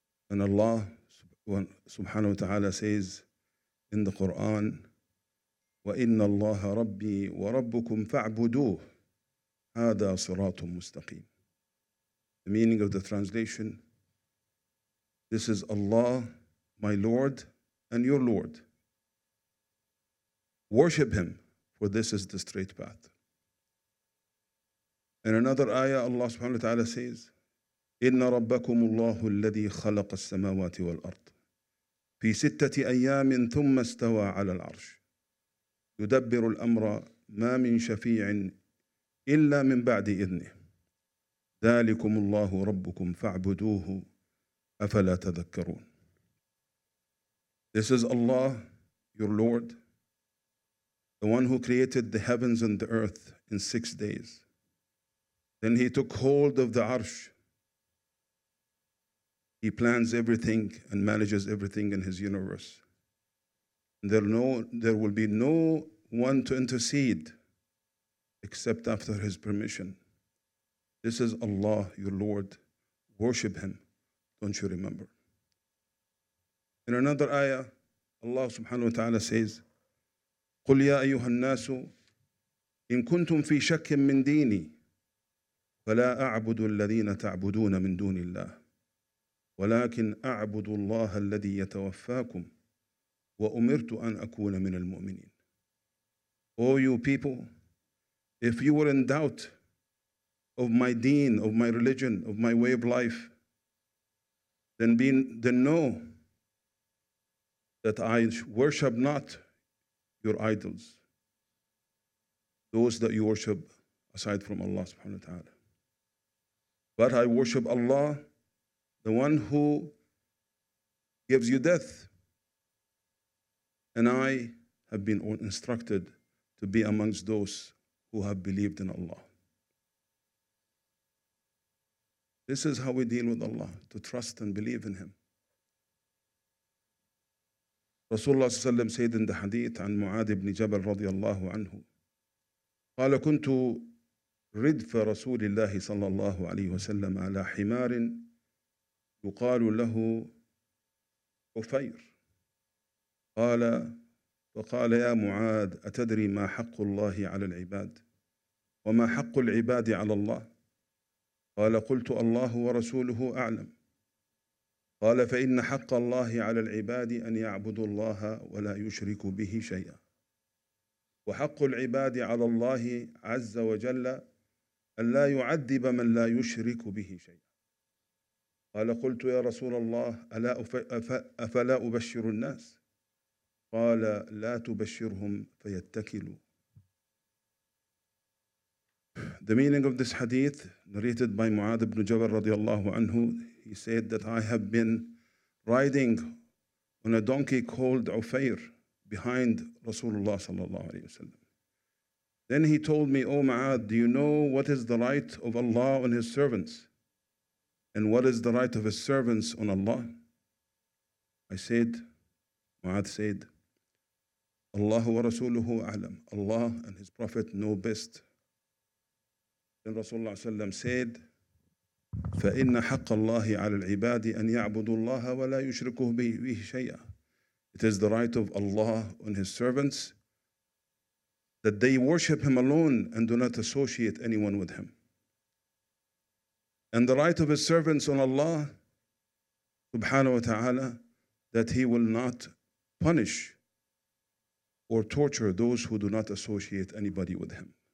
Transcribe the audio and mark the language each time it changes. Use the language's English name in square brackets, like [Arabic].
[English] And Allah subhanahu wa ta'ala says in the Quran, [Arabic] وَإِنَّ اللَّهَ رَبِّي وَرَبُّكُمْ فَاعْبُدُوهُ هَذَا صِرَاطٌ مُسْتَقِيمٌ. [English] The meaning of the translation, this is Allah, my Lord, and your Lord. Worship Him, for this is the straight path. In another ayah, Allah subhanahu wa ta'ala says, [Arabic] إِنَّ رَبَّكُمُ اللَّهُ الَّذِي خَلَقَ السَّمَاوَاتِ وَالْأَرْضِ فِي سِتَّةِ أَيَّامٍ ثُمَّ اسْتَوَى عَلَى الْعَرْشِ يُدَبِّرُ الْأَمْرَ مَا مِن شَفِيعٍ إِلَّا مِن بَعْدِ إِذْنِهِ ذَلِكُمُ اللَّهُ رَبُّكُمْ فَاعْبُدُوهُ أَفَلَا تَذَكَّرُونَ. [English] This is Allah, your Lord, the one who created the heavens and the earth in 6 days. Then He took hold of the arsh. He plans everything and manages everything in His universe. There will be no one to intercede except after His permission. This is Allah, your Lord. Worship Him. Don't you remember? In another ayah, Allah subhanahu wa ta'ala says, [Arabic] قُلْ يَا أَيُّهَا النَّاسُ إِن كُنْتُمْ فِي شَكٍ مِّن دِينِي فلا أعبد الذين تعبدون من دون الله ولكن أعبد الله الذي يتوفاكم وأمرت أن أكون من المؤمنين. [English] O you people, if you were in doubt of my deen, of my religion, of my way of life, then know that I worship not your idols, those that you worship aside from Allah subhanahu wa ta'ala. But I worship Allah, the one who gives you death. And I have been instructed to be amongst those who have believed in Allah. This is how we deal with Allah, to trust and believe in Him. Rasulullah sallallahu alayhi wa sallam said in the hadith [Arabic] عن معاذ بن جبل رضي الله عنه قال كنت ردف رسول الله صلى الله عليه وسلم على حمار يقال له حفير قال فقال يا معاذ أتدري ما حق الله على العباد وما حق العباد على الله؟ قال قلت الله ورسوله أعلم. قال فإن حق الله على العباد أن يعبدوا الله ولا يشركوا به شيئا، وحق العباد على الله عز وجل أن لا يعذب من لا يشرك به شيئا. قال قلت يا رسول الله أفلا أبشر الناس؟ قال لا تبشرهم فيتكلوا. [English] The meaning of this hadith narrated by Mu'ad ibn Jabal radiallahu anhu, he said that I have been riding on a donkey called Ufair behind Rasulullah sallallahu alayhi wasallam. Then he told me, O Mu'ad, do you know what is the right of Allah on his servants? And what is the right of his servants on Allah? I said, Mu'ad said, [Arabic] Allah wa Rasuluhu a'lam. [English] Allah and his prophet know best. Then Rasulullah sallam said, [Arabic] فَإِنَّ حَقَّ اللَّهِ عَلَى الْعِبَادِ أَنْ يَعْبُدُوا اللَّهَ وَلَا يُشْرِكُهُ بِهِ شَيْئًا. [English] It is the right of Allah on his servants that they worship him alone and do not associate anyone with him. And the right of his servants on Allah subhanahu wa ta'ala that he will not punish or torture those who do not associate anybody with him.